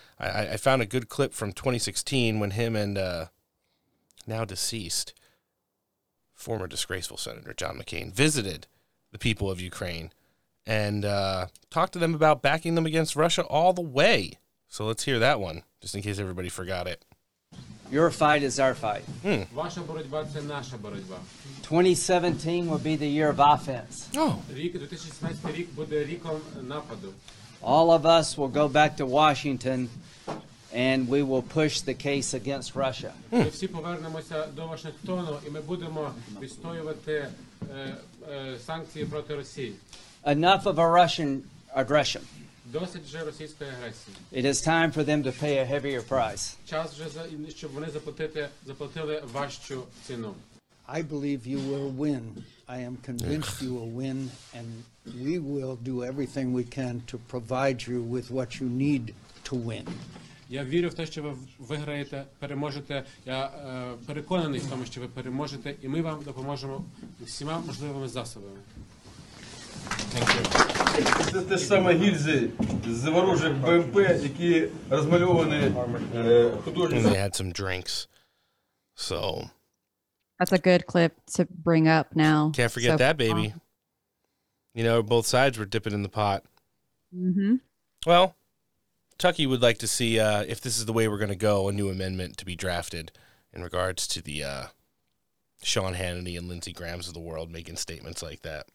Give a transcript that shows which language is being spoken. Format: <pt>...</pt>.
<en>I found a good clip from 2016 when him and now deceased former disgraceful Senator John McCain visited the people of Ukraine and talk to them about backing them against Russia all the way. So let's hear that one, just in case everybody forgot it. Your fight is our fight.</en> <uk>Ваша боротьба – це наша боротьба.</uk> <en>2017 will be the year of offense. Oh.</en> <uk>Рік, 2017 рік буде ріком нападу.</uk> <en>All of us will go back to Washington, and we will push the case against Russia.</en> <uk>Ми всі повернемося до Вашингтону, і ми будемо відстоювати санкції проти Росії.</uk> <en>Enough of a Russian aggression.</en> <uk>Досить вже російської агресії.</uk> <en>It is time for them to pay a heavier price.</en> <uk>Час вже за щоб вони заплатили важчу ціну.</uk> <en>I believe you will win. I am convinced you will win, and we will do everything we can to provide you with what you need to win.</en> <uk>Я вірю в те, що ви виграєте, переможете. Я переконаний в тому, що ви переможете, і ми вам допоможемо всіма можливими засобами.</uk> <en>Thank you.</en> <uk>Це те ж саме гільзи з ворожих БМП, які розмальовані художниками.</uk> <en>They had some drinks, so... That's a good clip to bring up now. Can't forget so that, baby. You know, both sides were dipping in the pot. Mm-hmm. Well, Tucky would like to see, if this is the way we're going to go, a new amendment to be drafted in regards to the Sean Hannity and Lindsey Grahams of the world making statements like that.</en>